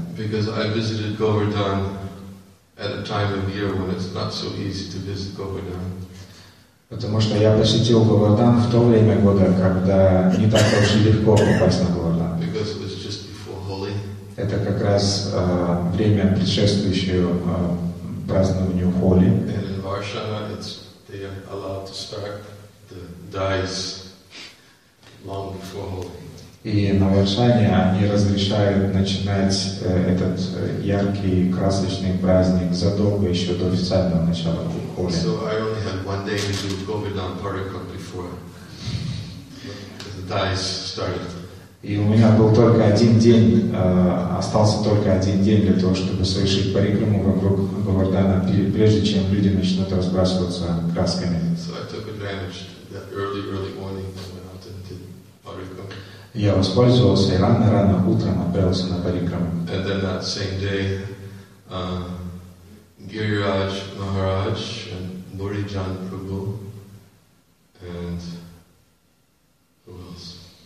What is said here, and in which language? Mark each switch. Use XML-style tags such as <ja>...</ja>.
<en>Because I visited Govardhan at a time of year when it's not so easy to visit Govardhan.</en> <ru>Потому что я посетил Говардхан в то время года, когда не так уж и легко попасть на Говардхан.</ru> <en>Because it was just before Holi.</en> <ru>Это как раз время, предшествующее празднованию Холи.</ru> <en>And in Varshana, it's, they are allowed to start the dais long before Holi.</en> <ru>И на Варшане они разрешают начинать этот яркий, красочный праздник задолго еще до официального начала Холи.</ru> <en>So I only had one day to do Govardhan Parikram before the dais started.</en> <ru>И у меня был только один день, остался только один день для того, чтобы совершить парикраму вокруг Говардхана, прежде чем люди начнут разбрасываться красками.</ru> <en>So I took advantage that early, early morning and went out and did Parikram.</en> <ru>Я воспользовался и рано-рано утром отправился на парикрам.</ru> <en>And then that same day, Гирирадж Махарадж and Муриджан Прабху and who else?</en>